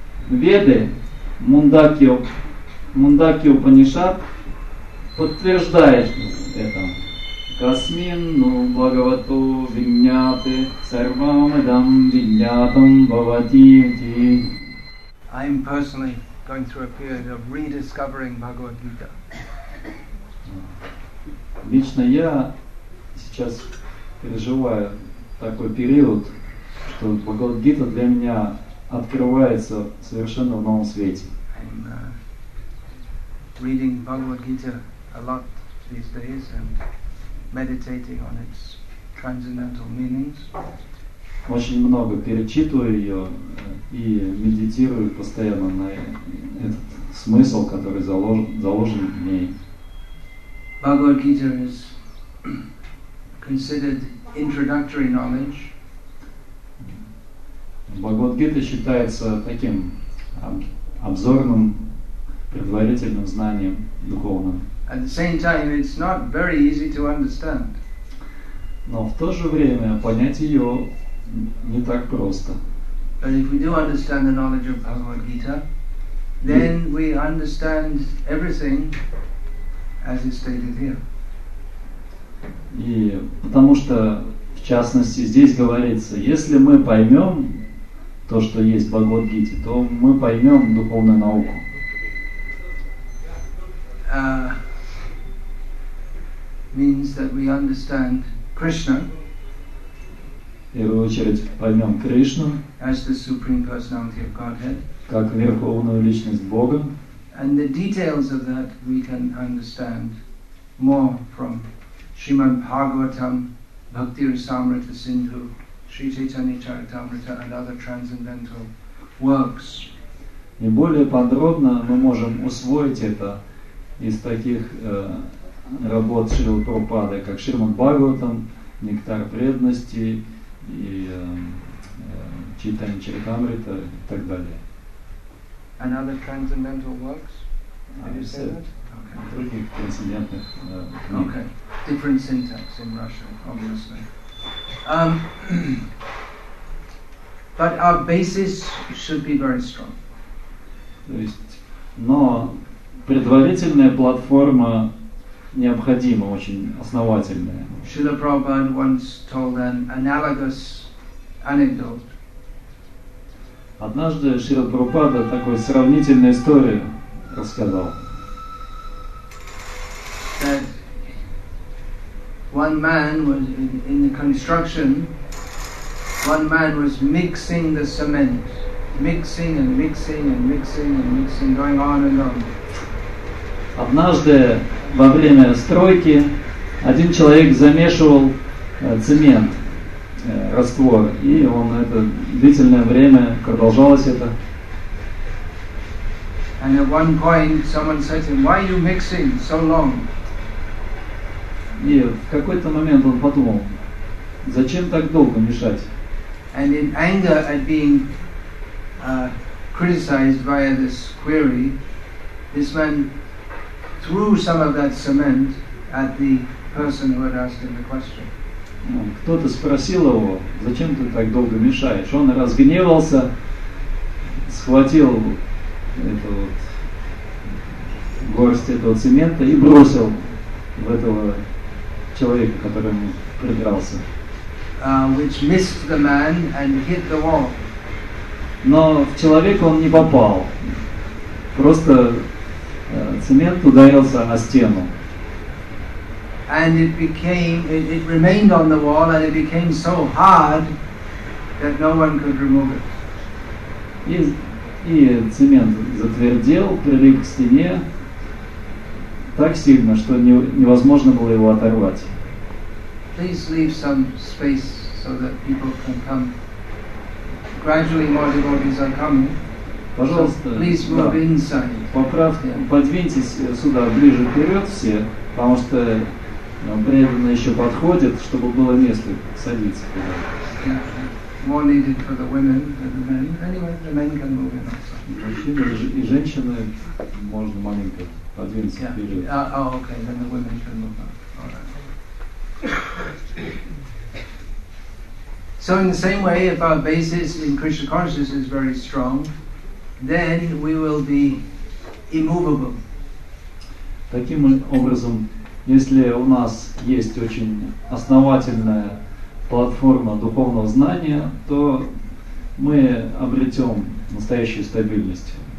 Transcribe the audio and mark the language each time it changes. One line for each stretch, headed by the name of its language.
Russian: Веды, Мундакья Упанишад, подтверждает это.
Sanskrit: Касминну Бхагавату Виньяте Сарвам Идам Виньятам Бхавати Ити.
English: I am personally going through a period of rediscovering Bhagavad Gita.
Russian: Лично я сейчас переживаю такой период, что Бхагавад Гита для меня открывается совершенно в новом свете.
English: I'm reading Bhagavad Gita a lot these days and meditating on its transcendental meanings.
Russian: Очень много перечитываю ее и медитирую постоянно на этот смысл, который заложен в ней.
English: Bhagavad Gita is considered introductory knowledge.
Russian: Bhagavad Gita считается таким обзорным, предварительным знанием духовным.
English: At the same time, it's not very easy to understand.
Russian: Но в то же время понять ее не так просто.
English: But if we do understand the knowledge of Bhagavad Gita, then we understand everything as is stated here.
Russian: И потому что, в частности, здесь говорится, если мы поймем то, что есть в Бхагавад Гите, то мы поймем духовную науку.
English: Means that we understand Krishna.
Russian: В первую очередь поймем Кришну
English: as the Supreme Personality of Godhead,
Russian: как Верховную Личность Бога.
English: And the details of that we can understand more from Shrimad Bhagavatam, Bhaktirasamrita Sindhu, Sri Chaitanya Charitamrita and other transcendental works.
Russian: И более подробно мы можем усвоить это из таких работ Шрилы Прабхупады, как Шримад Бхагаватам, Нектар Преданности, и Чайтанья Чаритамрита и так далее.
English: And other transcendental works? Have you said that? Okay.
Russian: Других трансцендентных книг. Okay.
English: Different syntax in Russian, obviously. But our basis should be very strong.
Russian: То есть, но предварительная платформа необходима, очень основательная.
English: Шрила Прабхупада once told an analogous anecdote.
Russian: Однажды Шрила Прабхупада такую сравнительную историю рассказал.
English: That one man was in the construction, one man was mixing the cement, mixing and mixing and mixing and mixing, going on and on.
Russian: Однажды во время стройки один человек замешивал цемент, раствор, и он это длительное время продолжалось это.
English: And at one point someone said to him, "Why are you mixing so long?"
Russian: И в какой-то момент он подумал, зачем так долго мешать?
English: And in anger at being criticized via this query, this man threw some of that cement at the person who had asked him the question.
Russian: Кто-то спросил его, зачем ты так долго мешаешь? Он разгневался, схватил эту вот горсть этого цемента и бросил в этого человека, который ему придрался.
English: Which missed the man and hit the wall.
Russian: Но в человека он не попал. Просто цемент ударился о стену.
English: And it remained on the wall, and it became so hard that no one could remove it.
Russian: И цемент затвердел, прилип к стене так сильно, что невозможно было его оторвать.
English: Please leave some space so that people can come. Gradually more devotees are coming.
Russian: Пожалуйста,
English: so please move inside.
Russian: Подвиньтесь сюда ближе вперед все, потому что преданно еще подходит, чтобы было место садиться.
English: Yeah. More needed for the women than the men. Anyway, the men can move in also.
Russian: Мужчины и женщины можно маленько подвинуться вперед.
English: Yeah. Oh, okay. Then the women can move on. Alright. So in the same way, if our basis in Krishna consciousness is very strong, then we will be immovable.
Russian: Таким образом, если у нас есть очень основательная платформа духовного знания, то мы обретем настоящую стабильность.